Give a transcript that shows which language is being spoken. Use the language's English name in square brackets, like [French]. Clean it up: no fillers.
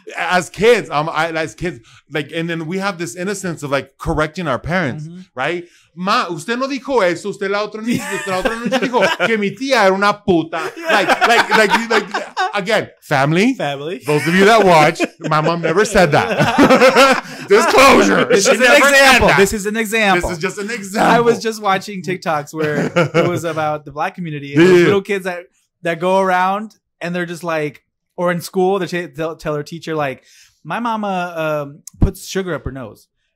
[English] As kids, like, and then we have this innocence of, like, correcting our parents, mm-hmm. right? [Spanish] Ma, usted no dijo eso. Usted la otra noche dijo que mi tía era una puta. [English] Like, again, family. Those of you that watch, my mom never said that. Disclosure. This is an example. This is just an example. I was just watching TikToks where it was about the black community. And yeah. Little kids that go around and they're just like, or in school, they'll tell their teacher, like, my mama puts sugar up her nose.